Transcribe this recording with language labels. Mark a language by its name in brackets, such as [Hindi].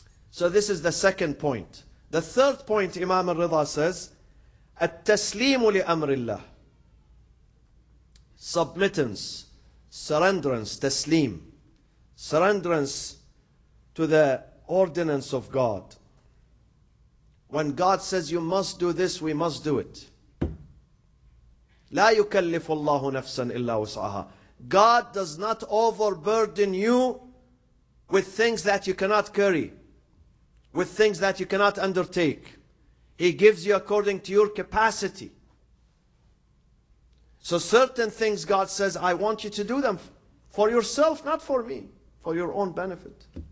[English] So this is the second point. The third point, Imam al-Ridha says, [Arabic] التسليم لأمر الله. [English] Submittance, surrenderance, تسليم. Surrenderance to the ordinance of God. When God says you must do this, we must do it. [Arabic] لا يكلف الله نفسا إلا وسعها. [English] God does not overburden you with things that you cannot carry, with things that you cannot undertake. He gives you according to your capacity. So certain things God says, I want you to do them for yourself, not for me, for your own benefit.